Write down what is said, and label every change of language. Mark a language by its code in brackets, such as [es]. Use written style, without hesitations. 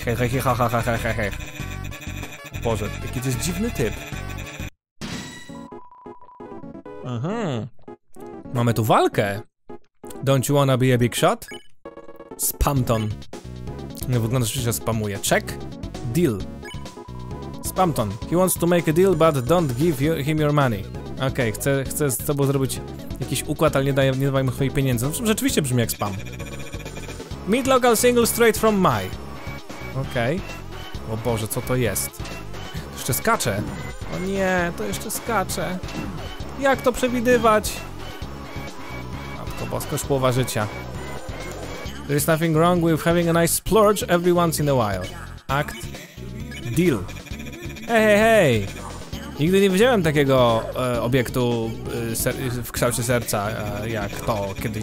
[pl] He he he ha ha ha ha ha he. O Boże, jaki to jest dziwny typ. Aha. Mamy tu walkę. [en] Don't you wanna be a big shot? Spamton. [pl] Nie wygląda, że się spamuje. [en] Check. Deal. Spamton. He wants to make a deal, but don't give him your money. [pl] Okej, okay, chcę z tobą zrobić jakiś układ, ale nie daj mu swoich pieniędzy. No, rzeczywiście brzmi jak spam. [en] Meet local single straight from my. Okej. Okay. [pl] O Boże, co to jest? Jeszcze skacze. O nie, to jeszcze skacze. Jak to przewidywać? Matko bosko, połowa życia. [en] There is nothing wrong with having a nice splurge every once in a while. Act. Deal. Hej, hej, hej. [pl] Nigdy nie widziałem takiego obiektu w kształcie serca jak to kiedyś.